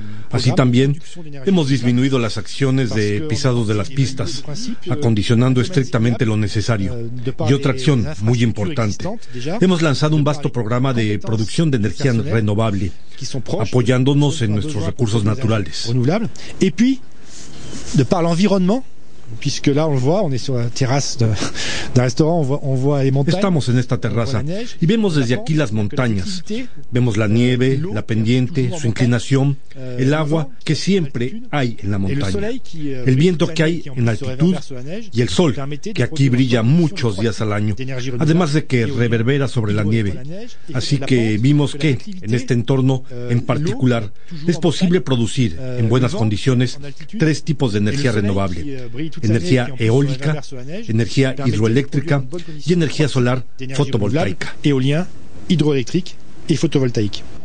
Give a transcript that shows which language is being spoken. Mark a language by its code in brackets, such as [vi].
[es] Así también hemos disminuido las acciones de pisados de las pistas, acondicionando estrictamente lo necesario. Y otra acción muy importante: hemos lanzado un vasto programa de producción de energía renovable, apoyándonos en nuestros recursos naturales. [fr] Y puis, de par l'environnement. Puisque là on le voit, on est sur la terrasse d'un restaurant, on voit les montagnes. [es] Estamos en esta terraza y vemos desde aquí las montañas. Vemos la nieve, la pendiente, su inclinación, el agua que siempre hay en la montaña, el viento que hay en altitud y el sol que aquí brilla muchos días al año, además de que reverbera sobre la nieve. Así que vimos que en este entorno en particular es posible producir en buenas condiciones 3 tipos de energía renovable: energía eólica, energía hidroeléctrica y energía solar fotovoltaica. [fr] Éolien, hidroeléctrique et photovoltaïque.